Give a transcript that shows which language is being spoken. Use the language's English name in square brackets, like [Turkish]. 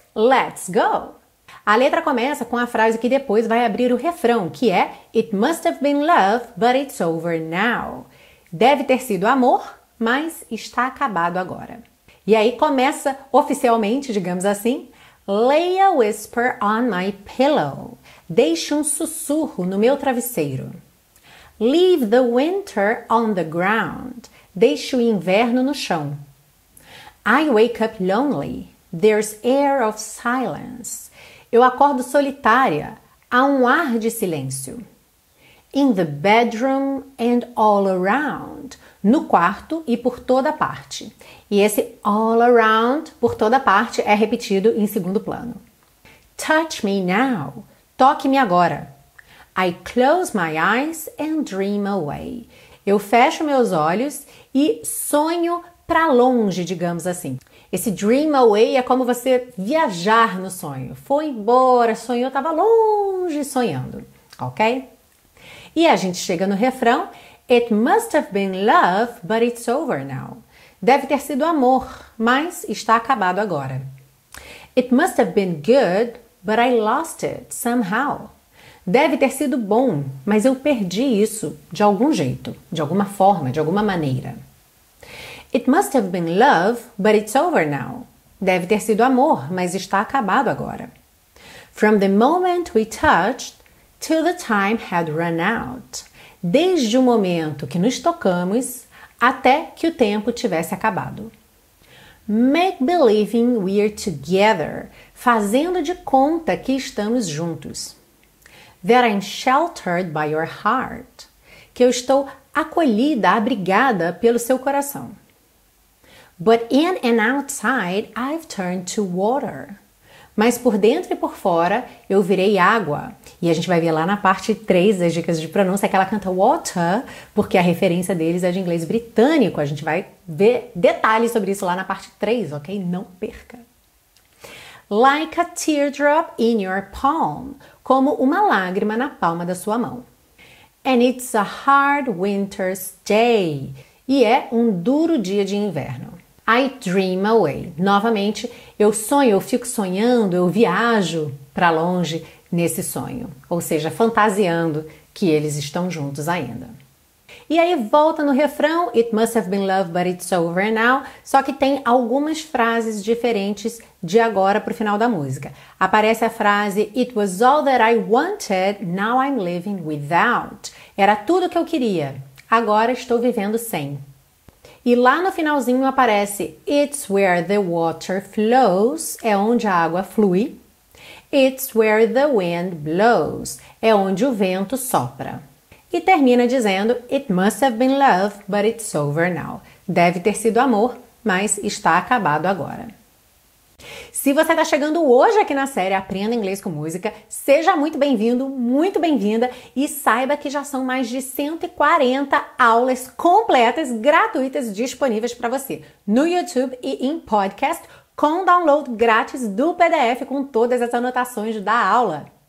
[English] Let's go! [Portuguese] A letra começa com a frase que depois vai abrir o refrão, que é [English] It must have been love, but it's over now. [Portuguese] Deve ter sido amor, mas está acabado agora. E aí começa oficialmente, digamos assim, [English] Lay a whisper on my pillow. [Portuguese] Deixe um sussurro no meu travesseiro. [English] Leave the winter on the ground. [Portuguese] Deixe o inverno no chão. [English] I wake up lonely. There's air of silence. [Portuguese] Eu acordo solitária, há um ar de silêncio. [English] In the bedroom and all around, [Portuguese] no quarto e por toda parte. E esse [English] all around, [Portuguese] por toda parte, é repetido em segundo plano. [English] Touch me now, [Portuguese] toque-me agora. [English] I close my eyes and dream away. [Portuguese] Eu fecho meus olhos e sonho para longe, digamos assim. Esse [English] dream away [Portuguese] é como você viajar no sonho. Foi embora, sonhou, estava longe sonhando, ok? E a gente chega no refrão. [English] It must have been love, but it's over now. [Portuguese] Deve ter sido amor, mas está acabado agora. [English] It must have been good, but I lost it somehow. [Portuguese] Deve ter sido bom, mas eu perdi isso de algum jeito, de alguma forma, de alguma maneira. [English] It must have been love, but it's over now. [Portuguese] Deve ter sido amor, mas está acabado agora. [English] From the moment we touched, till the time had run out. [Portuguese] Desde o momento que nos tocamos, até que o tempo tivesse acabado. [English] Make believing we're together. [Portuguese] Fazendo de conta que estamos juntos. [English] That I'm sheltered by your heart. [Portuguese] Que eu estou acolhida, abrigada pelo seu coração. [English] But in and outside, I've turned to water. [Portuguese] Mas por dentro e por fora, eu virei água. E a gente vai ver lá na parte 3 das dicas de pronúncia que ela canta water, porque a referência deles é de inglês britânico. A gente vai ver detalhes sobre isso lá na parte 3, ok? Não perca. [English] Like a teardrop in your palm. [Portuguese] Como uma lágrima na palma da sua mão. [English] And it's a hard winter's day. [Portuguese] E é um duro dia de inverno. [English] I dream away. [Portuguese] Novamente, eu sonho, eu fico sonhando, eu viajo para longe nesse sonho. Ou seja, fantasiando que eles estão juntos ainda. E aí volta no refrão, [English] It must have been love, but it's over now. [Portuguese] Só que tem algumas frases diferentes de agora para o final da música. Aparece a frase, [English] It was all that I wanted, now I'm living without. [Portuguese] Era tudo que eu queria, agora estou vivendo sem. E lá no finalzinho aparece [English] It's where the water flows, [Portuguese] é onde a água flui. [English] It's where the wind blows, [Portuguese] é onde o vento sopra. E termina dizendo [English] It must have been love, but it's over now. [Portuguese] Deve ter sido amor, mas está acabado agora. Se você está chegando hoje aqui na série Aprenda Inglês com Música, seja muito bem-vindo, muito bem-vinda e saiba que já são mais de 140 aulas completas, gratuitas, disponíveis para você no YouTube e em podcast com download grátis do PDF com todas as anotações da aula.